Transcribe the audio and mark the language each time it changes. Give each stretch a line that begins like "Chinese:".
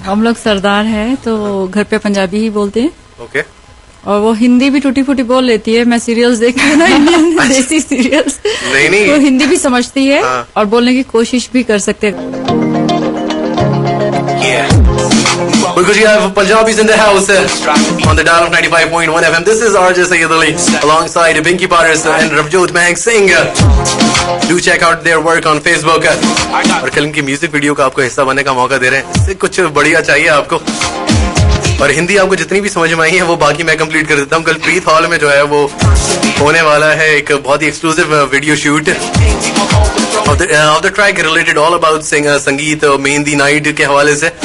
Hindi: हम लोग सरदार है तो घर पे पंजाबी ही बोलते हैं. ओके, और वो हिंदी भी टूटी फूटी बोल लेती है. मैं सीरियल्स देखती हूँ ना, इंडियन देसी सीरियल्स. नहीं नहीं, वो हिंदी भी समझती है. हाँ. और बोलने की कोशिश भी कर सकते हैं.
English: Because you have Punjabis in the house on the dial of 95.1 FM. This is RJ Sayyid Ali alongside Binky Paris and Ravjot Mahek Singh. Do check out their work on Facebook.
Hindi: और कल की music video का आपको हिस्सा बनने का मौका दे रहे हैं. इससे कुछ बढ़िया चाहिए आपको? और हिंदी आपको जितनी भी समझ में आई है वो बाकी मैं कंप्लीट कर देता हूँ. कल प्रीत हॉल में जो है वो होने वाला है एक बहुत ही
English: exclusive video shoot of the track related all about
Hindi: संगीत मेहंदी नाइट के हवाले से.